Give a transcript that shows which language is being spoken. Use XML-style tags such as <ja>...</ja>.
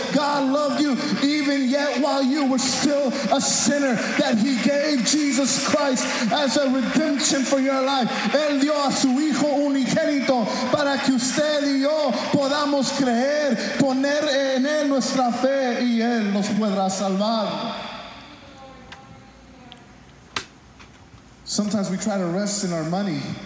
<en>God loved you even yet while you were still a sinner, that he gave Jesus Christ as a redemption for your life.</en> <es>Él dio a su Hijo unigénito para que usted y yo podamos creer, poner en Él nuestra fe y Él nos podrá salvar.</es> <en>Sometimes we try to rest in our money.</en>